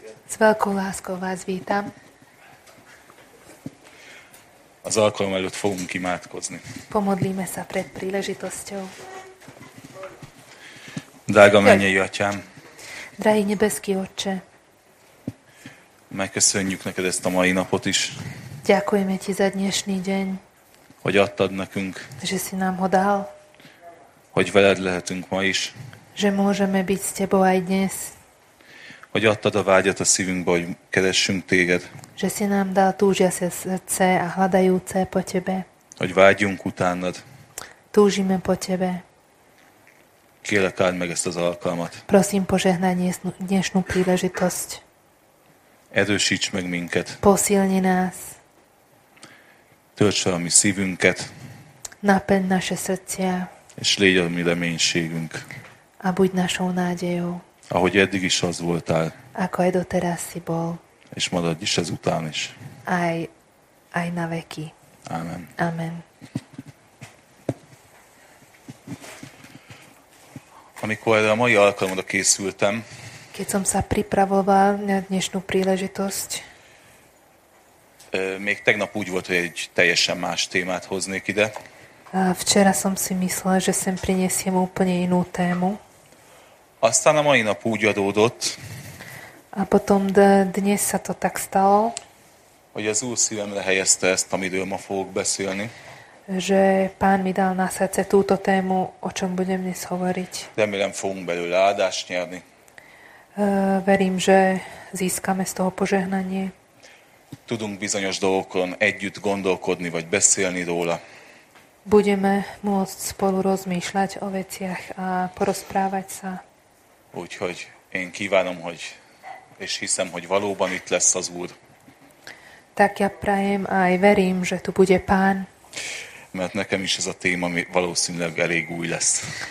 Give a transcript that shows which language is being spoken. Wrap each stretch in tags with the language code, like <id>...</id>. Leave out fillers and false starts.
<sk>S veľkou láskou vás vítam.</sk> <hu>Az alkalom előtt fogunk imádkozni.</hu> <sk>Pomodlíme sa pred príležitosťou.</sk> <hu>Drága mennyei atyám.</hu> <sk>Drahý nebeský otče.</sk> <hu>Megköszönjük neked ezt a mai napot is.</hu> <sk>Ďakujeme ti za dnešný deň.</sk> <hu>Hogy adtad nekünk.</hu> <sk>Že si nám ho dal.</sk> <hu>Hogy veled lehetünk ma is.</hu> <sk>Že môžeme byť s tebou aj dnes.</sk> <hu>Hogy adtad a vágyat a szívünkbe, hogy keressünk téged.</hu> <sk>Že si nám dal túžiace srdce a hľadajúce po tebe.</sk> <hu>Hogy vágyunk utánad.</hu> <sk>Túžime po tebe.</sk> <hu>Kérlek, áld meg ezt az alkalmat.</hu> <sk>Prosím, požehnaj dnešnú príležitosť.</sk> <hu>Erősíts meg minket.</hu> <sk>Posilni nás.</sk> <hu>Töltsd fel a mi szívünket.</hu> <sk>Napen naše srdcia.</sk> <hu>És légy a mi reménységünk.</hu> <sk>A buď našou nádejou.</sk> <hu>Ahogy eddig is az voltál.</hu> <sk>Ako aj doteraz si bol.</sk> <hu>És maradj is ezután is.</hu> <sk>Aj na veky.</sk> <hu>Amen.</hu> <sk>Amen.</sk> <hu>Amikor erre a mai alkalomra készültem,</hu> <sk>keď som sa pripravoval na dnešnú príležitosť,</sk> <hu>még tegnap úgy volt, hogy egy teljesen más témát hoznék ide.</hu> <sk>A včera som si myslel, že sem prinesiem úplne inú tému.</sk> <hu>Aztán a mai nap úgy adódott.</hu> <sk>A potom dnes sa to tak stalo.</sk> <hu>Hogy az Úr szívemre helyezte ezt, amiről ma fogok beszélni.</hu> <sk>Že Pán mi dal na srdce túto tému, o čom budem dnes hovoriť.</sk> <hu>Remélem, fogunk belőle áldást nyerni.</hu> <sk>Verím, že získame z toho požehnanie.</sk> <hu>Tudunk bizonyos dolgokon együtt gondolkodni, vagy beszélni róla.</hu> <sk>Budeme môcť spolu rozmýšľať o veciach a porozprávať sa.</sk> <hu>Úgyhogy én kívánom, hogy, és hiszem, hogy valóban itt lesz az Úr.</hu> <sk>Tak ja prajem a aj verím, že tu bude Pán.</sk> <hu>Mert nekem is ez a téma valószínűleg elég új lesz.</hu>